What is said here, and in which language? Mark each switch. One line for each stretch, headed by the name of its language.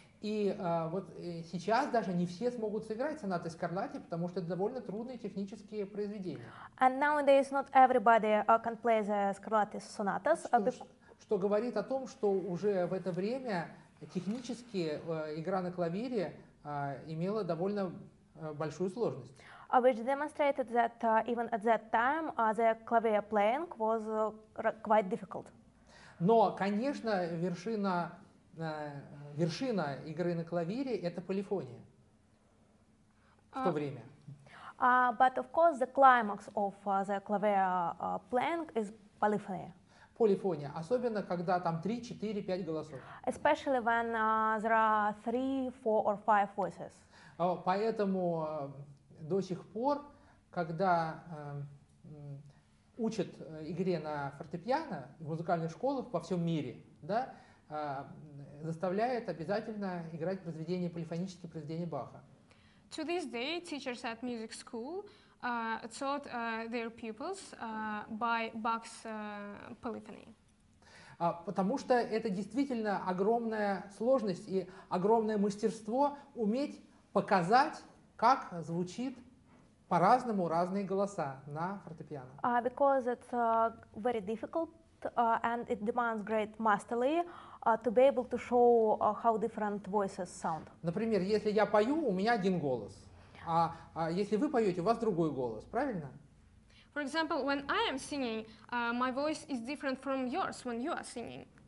Russian: И вот сейчас даже не все смогут сыграть сонаты Скарлатти, потому что это довольно трудные технические произведения.
English: And nowadays not everybody can play the Scarlatti sonatas.
Russian: Что, что говорит о том, что уже в это время технически игра на клавире имела довольно большую сложность.
English: Which demonstrated that even at that time the clavier playing was quite difficult.
Russian: Но, конечно, вершина игры на клавире — это полифония в то время.
English: But of course the climax of the clavier playing is polyphony.
Russian: Полифония, особенно когда там 3, 4, 5 голосов.
English: Especially when there are 3, 4, or 5 voices.
Russian: Поэтому до сих пор, когда учат игре на фортепиано в музыкальных школах по всем мире, да, заставляют обязательно играть произведения, полифонические произведения Баха.
English: To this day, teachers at music school taught their pupils by Bach's polyphony.
Russian: Потому что это действительно огромная сложность и огромное мастерство уметь показать, как звучит по-разному разные голоса на фортепиано.
English: Because it's very difficult and it demands great mastery to be able to show how different voices sound.
Russian: Например, если я пою, у меня один голос. А если вы поете, у вас другой голос, правильно?
English: For example, when I am singing, my voice is different from yours when you are singing.